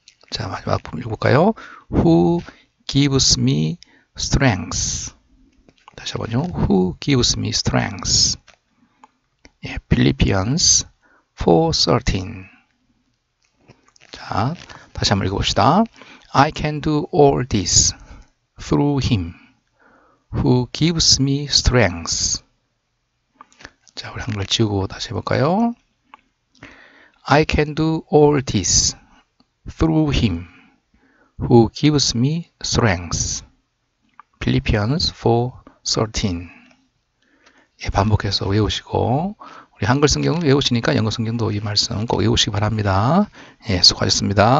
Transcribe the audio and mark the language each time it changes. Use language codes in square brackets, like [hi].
[ko] 자, 마지막 부분 읽어볼까요? [en] Who gives me strength? [ko] 다시 한번요. [en] Who gives me strength? 예, Philippians 4:13. [ko] 자, 다시 한번 읽어봅시다. [en] I can do all this through him who gives me strength. [ko] 자, 우리 한글 지우고 다시 해볼까요? [en] I can do all this through him who gives me strength. Philippians 4:13. [ko] 예, 반복해서 외우시고, 우리 한글 성경 외우시니까 영어 성경도 이 말씀 꼭 외우시기 바랍니다. 예, 수고하셨습니다.